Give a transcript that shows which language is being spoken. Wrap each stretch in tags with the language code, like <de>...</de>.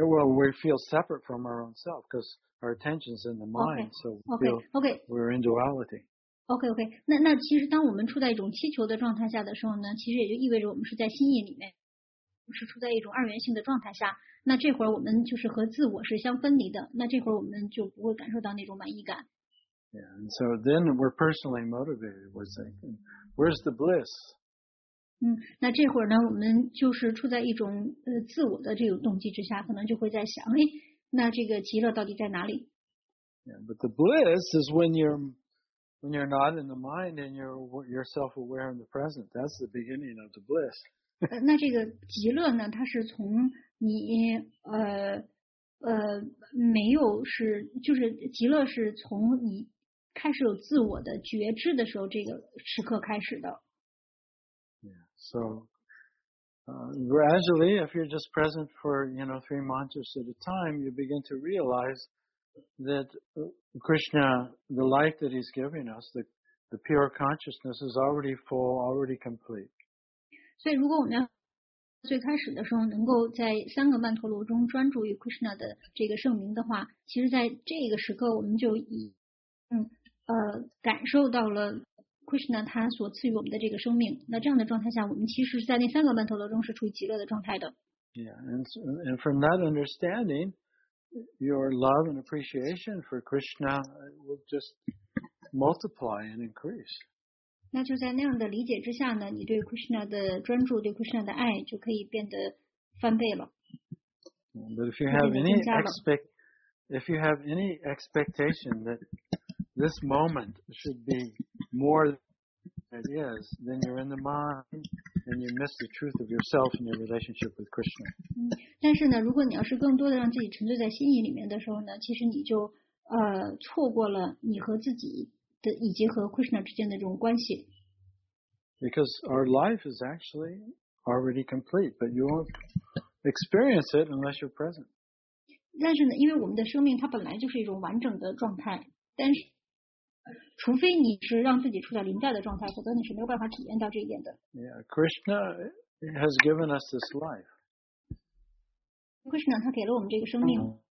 <en>Well, we feel separate from our own self because our attention is in the mind, okay. So we okay. feel okay. we're in duality.</en> <zh>OK OK， 那其实当我们处在一种气球的状态下的时候呢，其实也就意味着我们是在心意里面，是处在一种二元性的状态下。那这会儿我们就是和自我是相分离的，那这会儿我们就不会感受到那种满意感。</zh> <en>Yeah, and so then we're personally motivated. We're thinking, where's the bliss?</en> <zh>那这会儿呢，我们就是处在一种自我的这种动机之下，可能就会在想，哎，那这个极乐到底在哪里？</zh> <en>Yeah, but the bliss is when you're not in the mind and you're self-aware in the present. That's the beginning of the bliss.</en> <zh>那这个极乐呢，它是从你没有是就是极乐是从你开始有自我的觉知的时候这个时刻开始的。</zh> <en>Yeah, so gradually, if you're just present for three mantras at a time, you begin to realize that Krishna, the light that He's giving us, the pure consciousness is already full, already complete.</en> <zh>所以如果我们最开始的时候能够在三个曼陀罗中专注于 Krishna 的这个圣名的话，其实在这个时刻我们就已感受到了 Krishna 他所赐予我们的这个生命。那这样的状态下，我们其实在那三个曼陀罗中是处于极乐的状态的。</zh> <en>Yeah, and from that understanding, your love and appreciation for Krishna will just multiply and increase.</en> <zh>那就在那样的理解之下呢，你对 Krishna 的专注，对 Krishna 的爱就可以变得翻倍了。</zh> <en>But if you have any if you have any expectation that this moment should be more than it is, then you're in the mind and you miss the truth of yourself and your relationship with Krishna.</en> <zh>但是呢，如果你要是更多的让自己沉醉在心意里面的时候呢，其实你就错过了你和自己。以及和 Krishna 之间的这种关系。</zh> <en>Because our life is actually already complete, but you won't experience it unless you're present.</en> <zh>但是呢，因为我们的生命它本来就是一种完整的状态，但是除非你是让自己处在临在的状态，否则你是没有办法体验到这一点的。</zh> <en>Yeah, Krishna has given us this life.</en> <zh>Krishna 他给了我们这个生命。</zh>